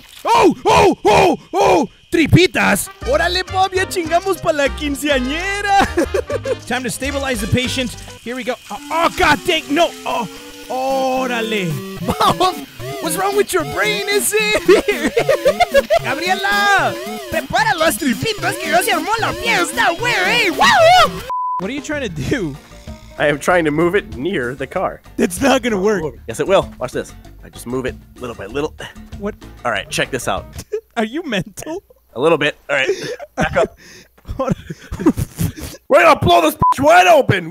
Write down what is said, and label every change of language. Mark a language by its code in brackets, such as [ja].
[es] Oh, oh, oh, oh, tripitas. Órale, Bob, ya chingamos para la quinceañera. [en] Time to stabilize the patient. Here we go. Oh, God dang, no. [es] Oh, órale. [en] Bob, what's wrong with your brain, is it? [es] Gabriela, prepara los tripitas que ya se armó la fiesta, güey. Woo! [en] What are you trying to do? I am trying to move it near the car. It's not gonna work. Yes, it will. Watch this. I just move it little by little. What? All right, check this out. Are you mental? A little bit. All right, back up. We're going to blow this bitch wide open.